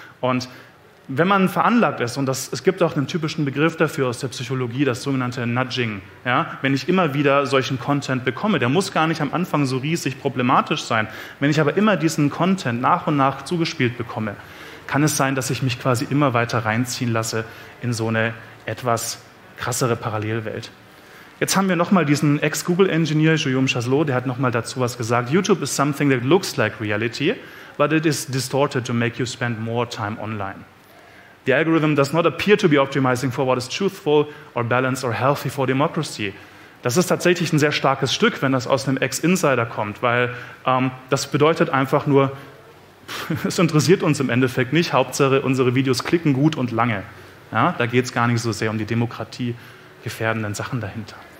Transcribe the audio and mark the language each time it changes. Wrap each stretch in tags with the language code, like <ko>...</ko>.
<de>Und wenn man veranlagt ist, und es gibt auch einen typischen Begriff dafür aus der Psychologie, das sogenannte Nudging, ja, wenn ich immer wieder solchen Content bekomme, der muss gar nicht am Anfang so riesig problematisch sein, wenn ich aber immer diesen Content nach und nach zugespielt bekomme, kann es sein, dass ich mich quasi immer weiter reinziehen lasse in so eine etwas krassere Parallelwelt. Jetzt haben wir nochmal diesen Ex-Google-Engineer, Guillaume Chasselot, der hat nochmal dazu was gesagt.</de> <en>YouTube is something that looks like reality, but it is distorted to make you spend more time online. The algorithm does not appear to be optimizing for what is truthful or balanced or healthy for democracy.</en> <de>Das ist tatsächlich ein sehr starkes Stück, wenn das aus einem Ex-Insider kommt, weil das bedeutet einfach nur, es interessiert uns im Endeffekt nicht. Hauptsache, unsere Videos klicken gut und lange. Ja, da geht es gar nicht so sehr um die demokratiegefährdenden Sachen dahinter.</de>